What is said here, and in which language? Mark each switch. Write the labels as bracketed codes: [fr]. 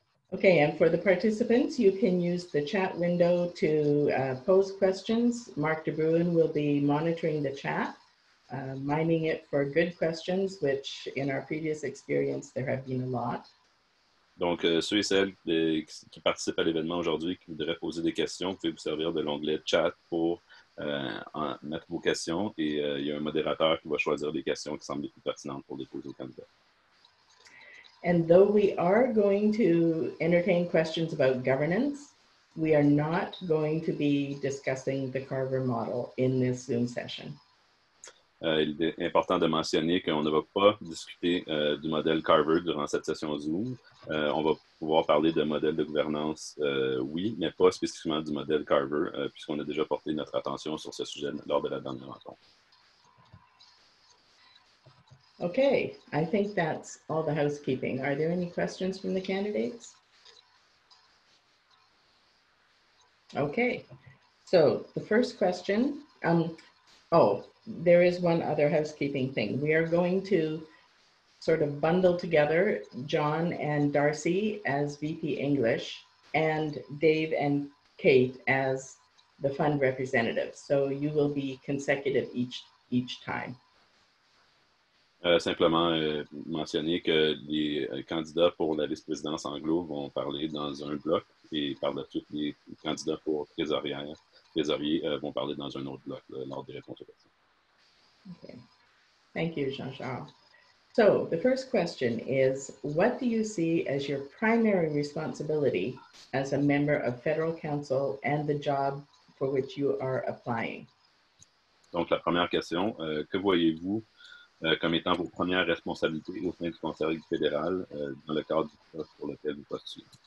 [en] Okay, and for the participants, you can use the chat window to pose questions. Mark De Bruin will be monitoring the chat, mining it for good questions, which in our previous experience, there have been a lot. [fr] Donc, ceux et celles qui participent à l'événement aujourd'hui, qui voudraient poser des questions, vous pouvez vous servir de l'onglet chat pour mettre vos questions. Et il y a un modérateur qui va choisir des questions qui semblent les plus pertinentes pour les poser aux candidats. [en] And though we are going to entertain questions about governance, we are not going to be discussing the Carver model in this Zoom session. [fr] Il est important de mentionner qu'on ne va pas discuter du modèle Carver durant cette session Zoom. On va pouvoir parler de modèle de gouvernance, oui, mais pas spécifiquement du modèle Carver, puisqu'on a déjà porté notre attention sur ce sujet lors de la dernière rencontre. [en] Okay, I think that's all the housekeeping. Are there any questions from the candidates? Okay, so the first question, there is one other housekeeping thing. We are going to sort of bundle together John and Darcy as VP English and Dave and Kate as the fund representatives. So you will be consecutive each time. [fr] Simplement mentionner que les candidats pour la vice-présidence anglo vont parler dans un bloc et par la suite, les candidats pour trésorier vont parler dans un autre bloc lors des réponses aux questions. [en] Okay. Thank you, Jean-Charles. So, the first question is, what do you see as your primary responsibility as a member of Federal Council and the job for which you are applying? [fr] Donc, la première question, que voyez-vous comme étant vos premières responsabilités au sein du Conseil fédéral dans le cadre du poste pour lequel vous postulez.